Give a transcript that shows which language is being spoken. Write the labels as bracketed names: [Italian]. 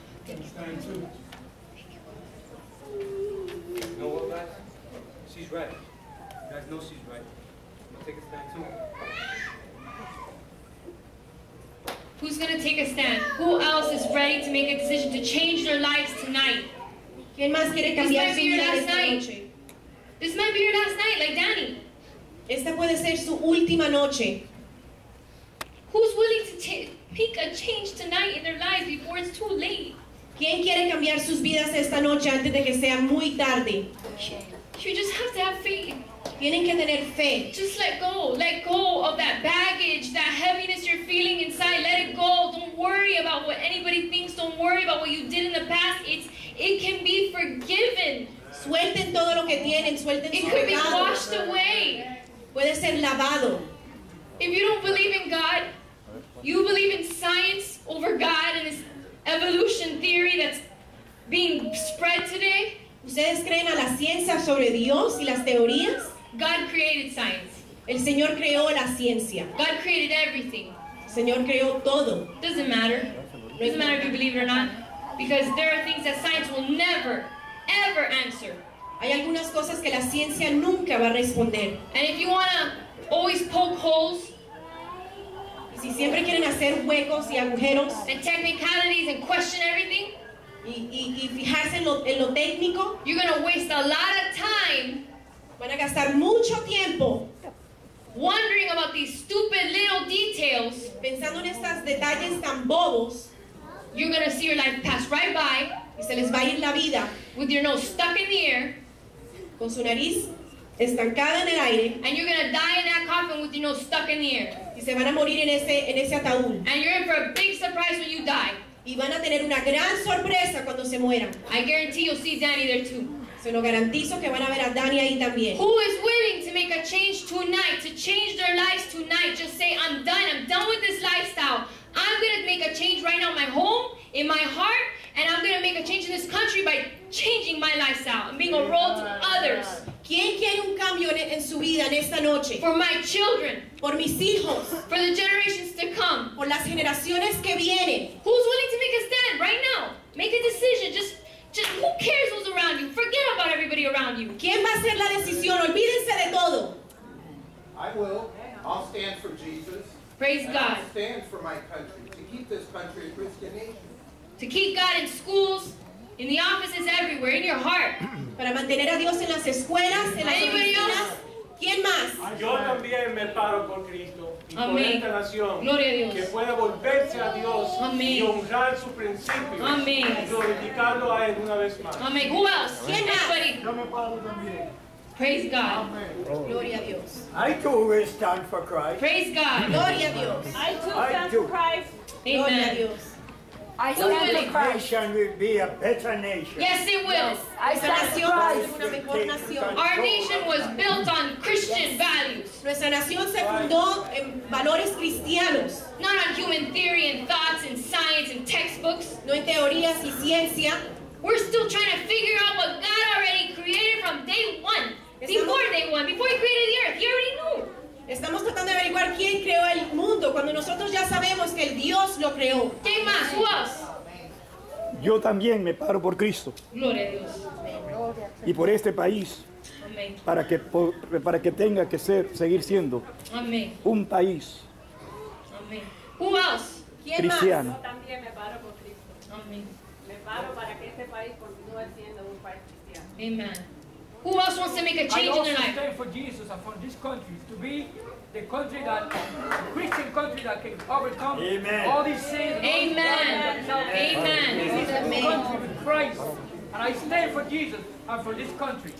[English] I'm standing too. You know what, guys? She's right. You guys know she's right. I'm gonna take a stand too. Who's gonna take a stand? Who else is ready to make a decision to change their lives tonight? [Spanish] ¿Quién más quiere cambiar su vida esta noche? [English] This might be your last night, like Danny. [Spanish] Esta puede ser su última noche. [English] Who's willing to make a change tonight in their lives before it's too late? [Spanish] ¿Quién quiere cambiar sus vidas esta noche antes de que sea muy tarde? [English] You just have to have faith. [Spanish] Tienen que tener fe. [English] Just let go of that baggage, that heaviness you're feeling inside. Let it go. Don't worry about what anybody thinks. Don't worry about what you did in the past. It can be forgiven. [Spanish] Suelten todo lo que tienen. Suelten su pecado. [English] It could be washed away. [Spanish] Puede ser lavado. [English] If you don't believe in God, you believe in science over God and this evolution theory that's being spread today. [Spanish] ¿Ustedes creen a la ciencia sobre Dios y las teorías? [English] God created science. [Spanish] El Señor creó la ciencia. [English] God created everything. [Spanish] El Señor creó todo. [English] Doesn't matter. Doesn't matter if you believe it or not. Because there are things that science will never, ever answer. [Spanish] Hay algunas cosas que la ciencia nunca va a responder. [English] And if you want to always poke holes, [Spanish] y si siempre quieren hacer huecos y agujeros, [English] and technicalities and question everything, [Spanish] y fijarse en lo técnico, [English] you're going to waste a lot of time. [Spanish] Van a gastar mucho tiempo [English] wondering about these stupid little details. [Spanish] Pensando en estos detalles tan bobos. [English] You're going to see your life pass right by. [Spanish] Y se les va a ir la vida. [English] With your nose stuck in the air. [Spanish] Con su nariz estancada en el aire. [English] And you're going to die in that coffin with your nose stuck in the air. [Spanish] Y se van a morir en ese ataúd. [English] And you're in for a big surprise when you die. [Spanish] Y van a tener una gran sorpresa cuando se mueran. [English] I guarantee you'll see Danny there too. [Spanish] Se lo garantizo que van a ver a Dani ahí también. [English] Who is willing to make a change tonight, to change their lives tonight? Just say, I'm done with this lifestyle. I'm going to make a change right now in my home, in my heart, and I'm going to make a change in this country by changing my lifestyle and being a role to others. [Spanish] ¿Quién quiere un cambio en su vida en esta noche? [English] For my children. [Spanish] Por mis hijos. [English] For the generations to come. [Spanish] Por las generaciones que vienen. [English] Who's willing to make a stand right now? Make a decision. Just who cares who's around you? Forget about everybody around you. [Spanish] ¿Quién va a hacer la decisión? Olvídense de todo. [English] I will. I'll stand for Jesus. Praise and God. I'll stand for my country. To keep this country a Christian nation. To keep God in schools, in the offices, everywhere, in your heart. [Spanish] Para mantener a Dios en las escuelas, en las oficinas. ¿Quién más? Yo también me paro por Cristo. Amén. Por esta nación. Gloria a Dios. Que pueda volverse a Dios. Amén. Y honrar su principio. Amén. Y glorificarlo a él una vez más. [English] Amén. Who else? [Spanish] ¿Quién más? Yo me paro también. [English] Praise God. [Spanish] Amén. Gloria a Dios. [English] I too will stand for Christ. Praise God. [Spanish] Gloria a Dios. [English] I too stand for Christ. Amen. [Spanish] Gloria a Dios. [English] I stand for Christ. This nation will be a better nation. Yes, it will. Yes. I stand for Christ. Our nation was built on Christian values. [Spanish] Nuestra nación se fundó en valores cristianos. [English] Not on human theory and thoughts and science and textbooks. [Spanish] No en teorías y ciencia. [English] We're still trying to figure out what God already created from day one. Before day one. Before he created the earth. He already knew. [Spanish] Estamos tratando de averiguar quién creó el mundo cuando nosotros ya sabemos que el Dios lo creó. ¿Quién más? [English] ¿Who else? [Spanish] Yo también me paro por Cristo. Gloria a Dios. Y por este país. Amén. Para que tenga que ser, seguir siendo. Amén. Un país. [English] Amén. ¿Who else? [Spanish] ¿Quién cristiano? Más? Yo también me paro por Cristo. Amén. Me paro para que este país continúe siendo un país cristiano. Amén. [English] Who else wants to make a change in their life? I also stand for Jesus and for this country to be the country that, the Christian country that can overcome Amen. All these sins. Amen. Amen. This is the country with Christ. And I stand for Jesus and for this country.